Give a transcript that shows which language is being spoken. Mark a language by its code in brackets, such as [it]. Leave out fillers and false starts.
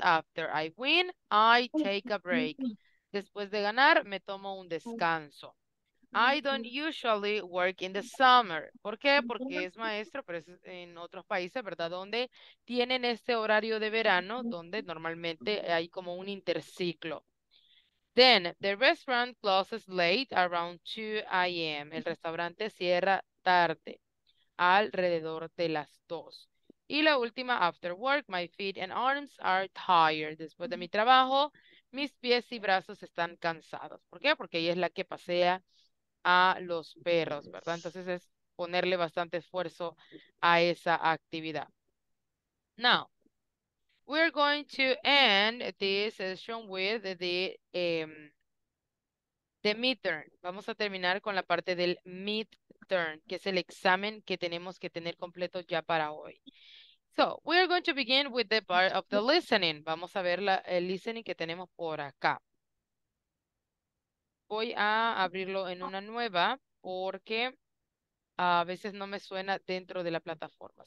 [en] After I win, I take a break. [es] Después de ganar, me tomo un descanso. [en] I don't usually work in the summer. [es] ¿Por qué? Porque es maestro, pero es en otros países, ¿verdad? Donde tienen este horario de verano, donde normalmente hay como un interciclo. [en] Then, the restaurant closes late, around 2 a.m. [es] El restaurante cierra tarde, alrededor de las 2. Y la última, [en] after work, my feet and arms are tired. [es] Después de mi trabajo, mis pies y brazos están cansados. ¿Por qué? Porque ella es la que pasea a los perros, ¿verdad? Entonces es ponerle bastante esfuerzo a esa actividad. [en] Now, we're going to end this session with the midterm. [es] Vamos a terminar con la parte del midterm, que es el examen que tenemos que tener completo ya para hoy. [en] So, we're going to begin with the part of the listening. [es] Vamos a ver el listening que tenemos por acá. Voy a abrirlo en una nueva porque a veces no me suena dentro de la plataforma.